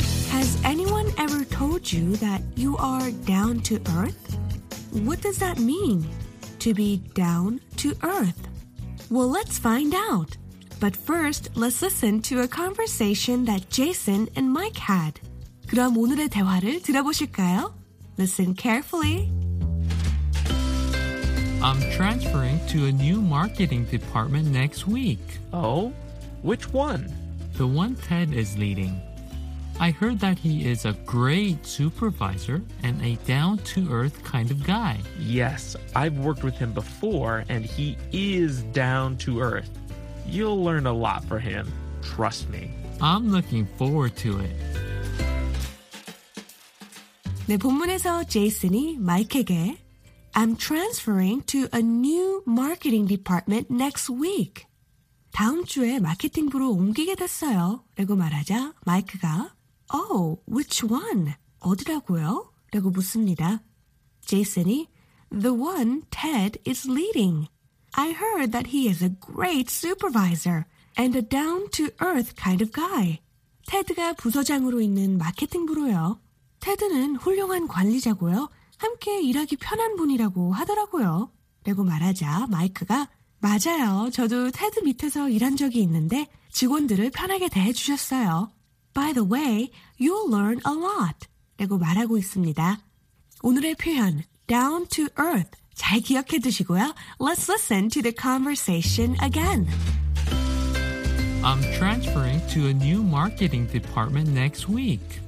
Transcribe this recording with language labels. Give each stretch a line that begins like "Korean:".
English: Has anyone ever told you that you are down to earth? What does that mean, to be down to earth? Well, let's find out. But first, let's listen to a conversation that Jason and Mike had.
Korean: 그럼 오늘의 대화를 들어보실까요?
English: Listen carefully. I'm transferring to a new marketing department next week. Oh? Which one? The one Ted is leading. I heard that he is a great supervisor and a down-to-earth kind of guy. Yes, I've worked with him before, and he is down-to-earth. You'll learn a lot from him. Trust me. I'm looking forward to it.
Korean: 네, 본문에서 제이슨이 마이크에게
English: I'm transferring to a new marketing department next week.
Korean: 다음 주에 마케팅부로 옮기게 됐어요. 라고 말하자 마이크가
English: Oh, which one?
Korean: 어디라고요? 라고 묻습니다. 제이슨이
English: The one Ted is leading. I heard that he is a great supervisor and a down-to-earth kind of guy.
Korean: 테드가 부서장으로 있는 마케팅부로요. 테드는 훌륭한 관리자고요. 함께 일하기 편한 분이라고 하더라고요. 라고 말하자 마이크가 맞아요. 저도 테드 밑에서 일한 적이 있는데 직원들을 편하게 대해주셨어요.
English: By the way, you'll learn a lot.
Korean: 라고 말하고 있습니다. 오늘의 표현, down to earth. 잘 기억해 두시고요.
English: Let's listen to the conversation again. I'm transferring to a new marketing department next week.